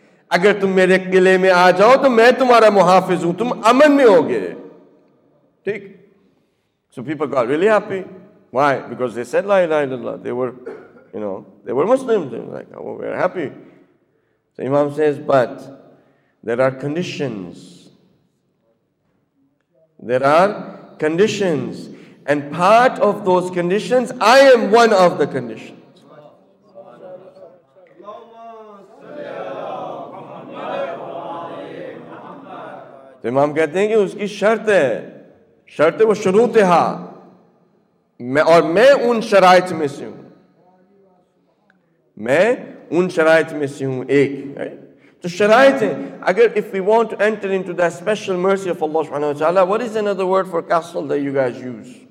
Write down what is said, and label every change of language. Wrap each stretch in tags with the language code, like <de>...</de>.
<ur>اگر تم میرے قلعے میں آ جاؤ تو میں تمہارا محافظ ہوں, تم امن میں ہوگے. ٹھیک.</ur> <en>So people got really happy. Why? Because they said La ilaha illallah. They were, you know, they were Muslims. They were like, oh, we're happy. So Imam says, but there are conditions. There are conditions. And part of those conditions, I am one of the conditions. So</en> <ur>تو امام کہتے ہیں کہ اس کی شرط ہے، شرط وہ شروط ہا، میں اور میں ان شرائط میں سے ہوں، میں ان شرائط میں سے ہوں ایک. تو شرائط ہیں.</ur> <en>اگر if we want to enter into that special mercy of Allah سبحانہ وتعالی, what is another word for castle that you guys use?</en>